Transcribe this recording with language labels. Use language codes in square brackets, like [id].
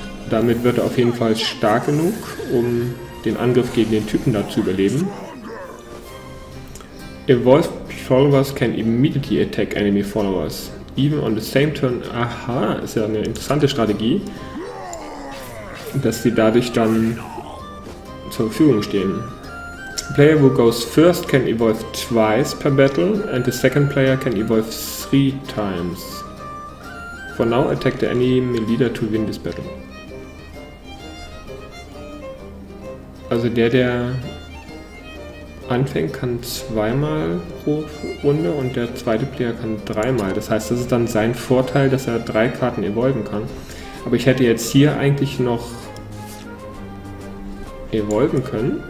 [de] Damit wird er auf jeden Fall stark genug, um den Angriff gegen den Typen da zu überleben. [en] Evolve Followers can immediately attack enemy followers. Even on the same turn. [de] Aha, ist ja eine interessante Strategie, dass sie dadurch dann zur Verfügung stehen. [en] Player who goes first can evolve twice per battle, and the second player can evolve 3 times. For now, attack the enemy leader to win this battle. [de] Also der anfängt, kann 2-mal pro Runde und der zweite Player kann 3-mal. Das heißt, das ist dann sein Vorteil, dass er 3 Karten evolven kann. Aber ich hätte jetzt hier eigentlich noch evolven können.